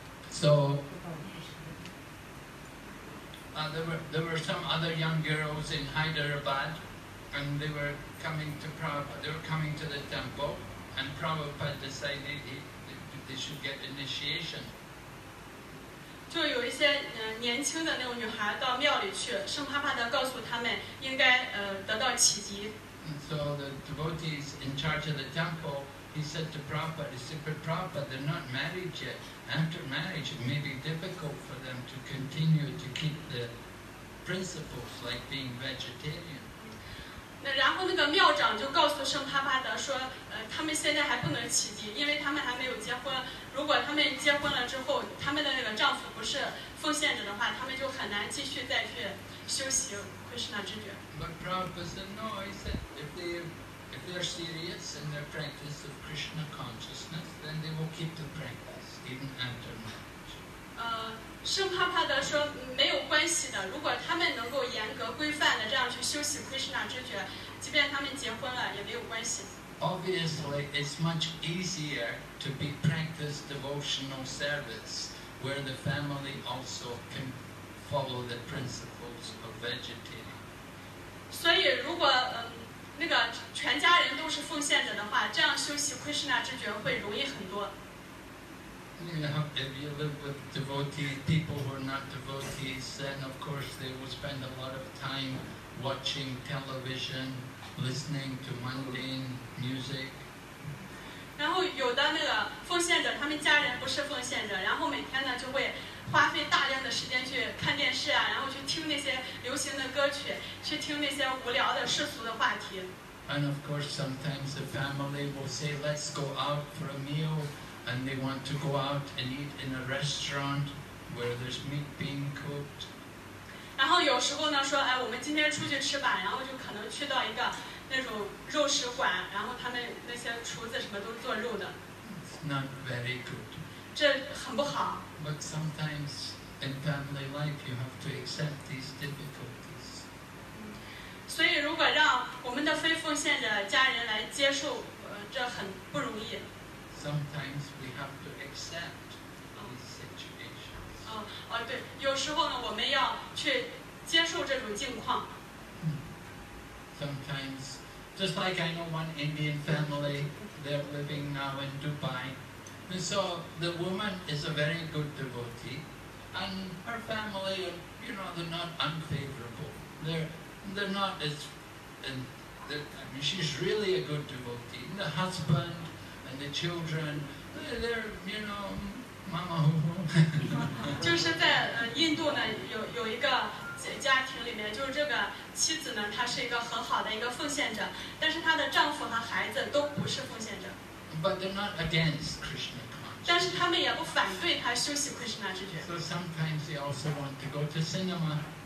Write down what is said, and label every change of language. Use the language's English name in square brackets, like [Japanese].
[English] So, there were some other young girls in Hyderabad, and they were coming to Prabhupada, they were coming to the temple, and Prabhupada decided they should get initiation. [Chinese] 就有一些年轻的那种女孩到庙里去，圣帕帕的告诉他们应该得到启迪。 [English] So the devotees in charge of the temple, he said to Prabhupada, he said, but Prabhupada, they're not married yet. After marriage, it may be difficult for them to continue to keep the principles like being vegetarian. [Chinese] 那然后那个庙长就告诉圣帕帕的说，他们现在还不能启迪，因为他们还没有结婚。如果他们结婚了之后，他们的那个丈夫不是奉献者的话，他们就很难继续再去修习Krishna之觉。 [English] But Prabhupada said, no, he said, if they're serious in their practice of Krishna consciousness, then they will keep the practice even after marriage. [Chinese] 圣帕帕的说没有关系的，如果他们能够严格规范的这样去修习 Krishna 之觉，即便他们结婚了也没有关系。 [English] Obviously, it's much easier to be practice devotional service where the family also can follow the principles of vegetarian. [Chinese] 所以如果那个全家人都是奉献者的话，这样修习 Krishna 之觉会容易很多。 [English] You know, if you live with devotees, people who are not devotees, then of course they will spend a lot of time watching television, listening to mundane music. [Chinese] 然后有的那个奉献者，他们家人不是奉献者，然后每天呢就会花费大量的时间去看电视啊，然后去听那些流行的歌曲，去听那些无聊的世俗的话题。 [English] And of course, sometimes the family will say, "Let's go out for a meal." And they want to go out and eat in a restaurant where there's meat being cooked. [Chinese] 然后有时候呢说，哎，我们今天出去吃吧，然后就可能去到一个那种肉食馆，然后他们那些厨子什么都做肉的。 [English] It's not very good. [Chinese] 这很不好。 [English] But sometimes in family life, you have to accept these difficulties. [Chinese] 所以如果让我们的非奉献者家人来接受，这很不容易。 [English] Sometimes we have to accept these situations. [Chinese] 对，有时候呢，我们要去接受这种境况。 [English] Sometimes, just like I know one Indian family, they're living now in Dubai. And so the woman is a very good devotee, and her family, you know, they're not unfavorable. They're not as, and I mean, she's really a good devotee. And the husband. And the children, they're, you know, mama. [Chinese] 就是在印度呢，有一个家庭里面，就是这个妻子呢，她是一个很好的一个奉献者，但是她的丈夫和孩子都不是奉献者。 [English] But they're not against Krishna consciousness. [Chinese] 但是他们也不反对他修习 Krishna 之觉。 [English] So sometimes they also want to go to cinema.